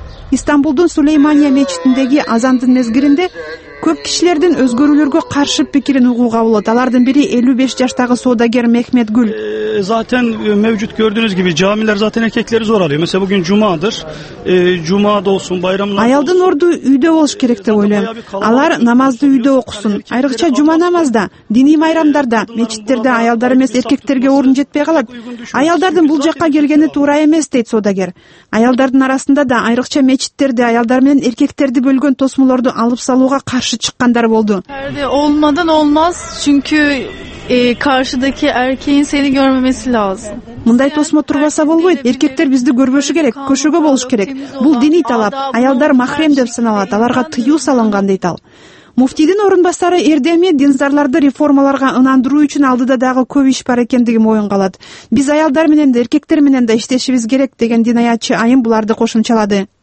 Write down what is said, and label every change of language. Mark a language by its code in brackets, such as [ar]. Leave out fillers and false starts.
[ky] Истанбулдун Сулеймания мечитиндеги азандын мезгиринде көп кишилердин өзгөрүүлөргө каршы пикирин угууга болот. Алардын бири 55 жаштагы соодагер Мехмет Гүл. [tr] Zaten mevcut gördüğünüz gibi camiler zaten erkekleri zor alıyor. Mesela bugün cumadır. Cuma da olsun, bayramlar. [ky] Аялдын орду үйдө болуш керек деп ойлойм. Алар намазды үйдө окусун. Айрыкча жума намазда, диний майрамдарда, мечиттерде аялдар эмес эркектерге орун жетпей калат. Аялдардын бул жакка келгени туура эмес дейт соодагер. Аялдардын арасында да айрыкча мечиттерде аялдар менен эркектерди бөлгөн тосмолорду алып салууга каршы чыккандар болду. [tr] Olmadan olmaz çünkü karşıdaki erkeğin seni görmemesi lazım. [ky] Мындай тосмо турбаса болбойт. Эркектер бизди көрбөшү керек, көшөгө болуш керек. Бул диний талап. Аялдар махрем деп саналат. Аларга тыюу салынган дейт ал. Муфтидин орун басары эрдеми динзарларды реформаларга ынандыруу үчүн алдыда дагы көп иш бар экендиги моюнга алат. Биз аялдар менен да, эркектер менен да иштешибиз керек деген динаятчы айым буларды кошумчалады.